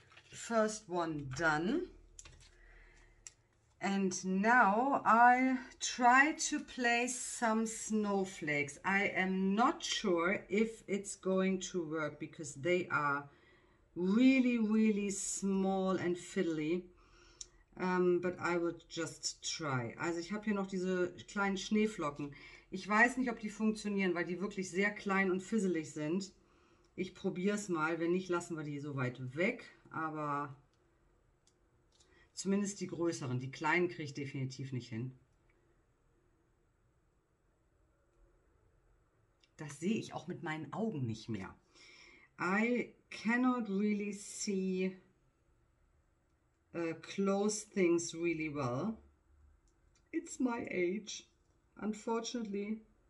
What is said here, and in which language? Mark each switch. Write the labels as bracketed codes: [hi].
[en] first one done and now I try to place some snowflakes. I am not sure if it's going to work because they are really, really small and fiddly. But I would just try. [de] Also ich habe hier noch diese kleinen Schneeflocken. Ich weiß nicht, ob die funktionieren, weil die wirklich sehr klein und fisselig sind. Ich probiere es mal. Wenn nicht, lassen wir die so weit weg. Aber zumindest die größeren, die kleinen kriege ich definitiv nicht hin. Das sehe ich auch mit meinen Augen nicht mehr. [en] I cannot really see close things really well. It's my age, unfortunately.